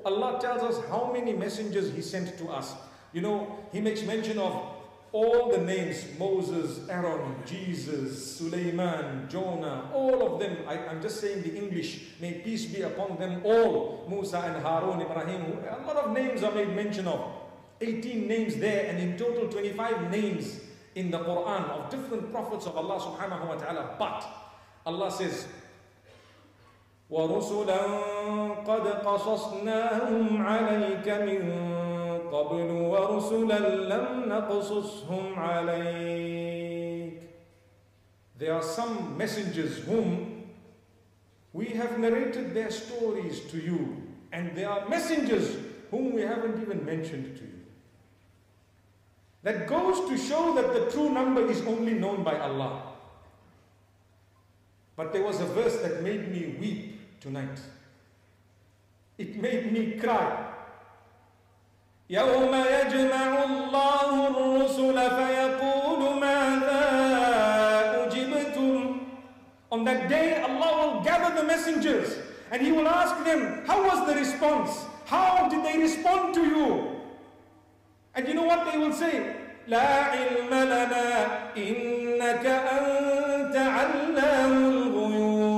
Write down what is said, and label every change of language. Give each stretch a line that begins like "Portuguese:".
English: Allah tells us how many messengers He sent to us. You know, He makes mention of all the names, Moses, Aaron, Jesus, Suleiman, Jonah, all of them. I'm just saying the English, may peace be upon them all. Musa and Harun, Ibrahim, a lot of names are made mention of. 18 names there, and in total 25 names in the Quran of different prophets of Allah subhanahu wa ta'ala. But Allah says,
Arabic: وَرُسُلًا قَدْ قَصَصْنَاهُمْ عَلَيْكَ مِنْ قَبْلُ وَرُسُلًا لَمْ نَقْصُصْهُمْ عَلَيْكَ.
English: There are some messengers whom we have narrated their stories to you, and there are messengers whom we haven't even mentioned to you. That goes to show that the true number is only known by Allah. But there was a verse that made me weep tonight. It made me cry.
Arabic: يوم يجمع الله الرسل فيقول ماذا أجبتم.
English: On that day, Allah will gather the messengers and He will ask them, how was the response? How did they respond to you? And you know what they will say?
Arabic: لا علم لنا إنك أنت علام الغيوب.